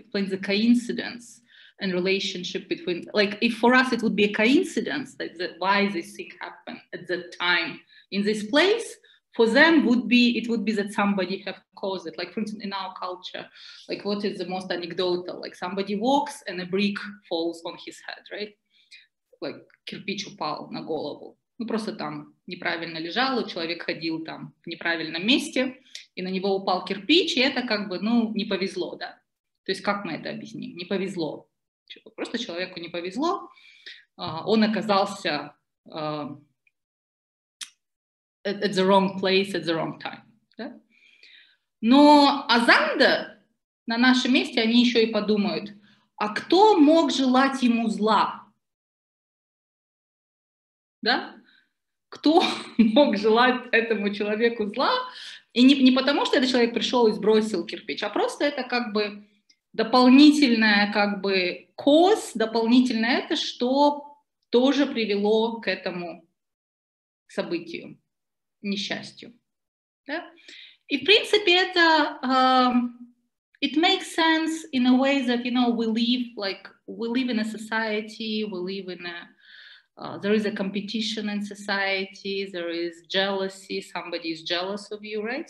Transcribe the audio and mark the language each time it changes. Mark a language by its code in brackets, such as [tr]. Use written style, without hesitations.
[en] It explains the coincidence and relationship between, like, if for us it would be a coincidence, like that why this thing happened at that time in this place, for them would be, it would be that somebody have caused it. Like, for instance, in our culture, like, what is the most anecdotal? Like, somebody walks and a brick falls on his head, right? [ru] Like, кирпич упал на голову. Ну, просто там неправильно лежал, и человек ходил там в неправильном месте, и на него упал кирпич, и это как бы, ну, не повезло, да. То есть как мы это объясним? Не повезло. Просто человеку не повезло. Он оказался [en] at the wrong place at the wrong time. [ru] Да? Но Азанда на нашем месте, они еще и подумают, а кто мог желать ему зла? Да? Кто мог желать этому человеку зла? И не потому, что этот человек пришел и сбросил кирпич, а просто это как бы дополнительная как бы коз, дополнительное это, что тоже привело к этому событию, несчастью. Да? И в принципе это [en] it makes sense in a way that, you know, we live in a society, we live in a there is a competition in society, there is jealousy, somebody is jealous of you, right?